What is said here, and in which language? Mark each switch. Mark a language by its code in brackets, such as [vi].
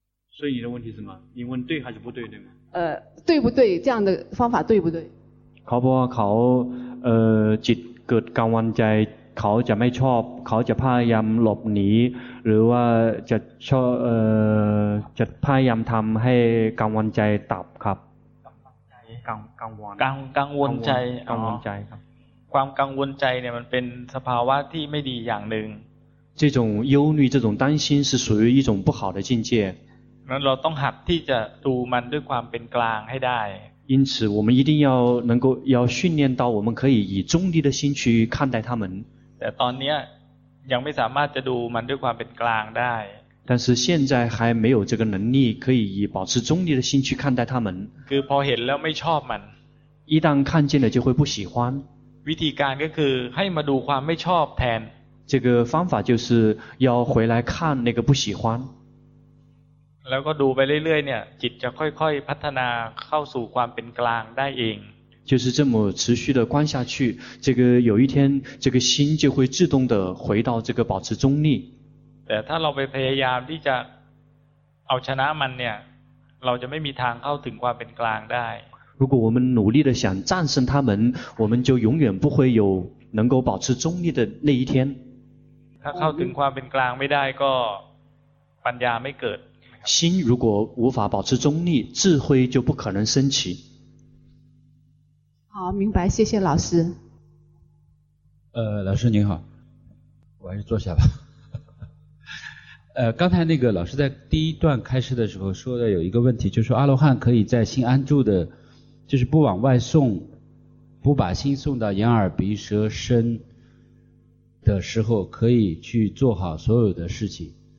[zh] 所以你的问题是什么你问对还是不对对吗对不对这样的方法对不对考不考 [th] จิตเกิดกังวลใจเขาจะไม่ชอบเขาจะพยายามหลบหนีหรือว่าจะชอบจะพยายามทำให้กังวลใจตับครับ กังวลใจ กังวลใจครับ ความกังวลใจเนี่ยมันเป็นสภาวะที่ไม่ดีอย่างนึง [zh] 这种忧虑这种担心是属于一种不好的境界 [th] นั้นเราต้องหัดที่จะดูมันด้วยความเป็นกลางให้ได้ [zh] 因此我们一定要能够要训练到我们可以以中立的心去看待他们 [th] แต่ตอนนี้ยังไม่สามารถจะดูมันด้วยความเป็นกลางได้ [zh] 但是现在还没有这个能力可以以保持中立的心去看待他们 [th] คือพอเห็นแล้วไม่ชอบมัน [zh] 一旦看见了就会不喜欢 [th] วิธีการก็คือให้มาดูความไม่ชอบแทน [zh] 这个方法就是要回来看那个不喜欢 [th] แล้วก็ดูไปเรื่อยๆเนี่ยจิตจะค่อยๆพัฒนาเข้าสู่ความเป็นกลางได้เอง [zh] 就是这么持续的观下去这个有一天这个心就会自动的回到这个保持中立 [th] แต่ถ้าเราไปพยายามที่จะเอาชนะมันเนี่ยเราจะไม่มีทางเข้าถึงความเป็นกลางได้ [zh] 如果我们努力的想战胜他们我们就永远不会有能够保持中立的那一天 [th] ถ้าเข้าถึงความเป็นกลางไม่ได้ก็ปัญญาไม่เกิด [zh] 心如果无法保持中立，智慧就不可能升起。好，明白，谢谢老师。老师您好，我还是坐下吧。刚才那个老师在第一段开始的时候说的有一个问题，就是说阿罗汉可以在心安住的，就是不往外送，不把心送到眼耳鼻舌身的时候，可以去做好所有的事情。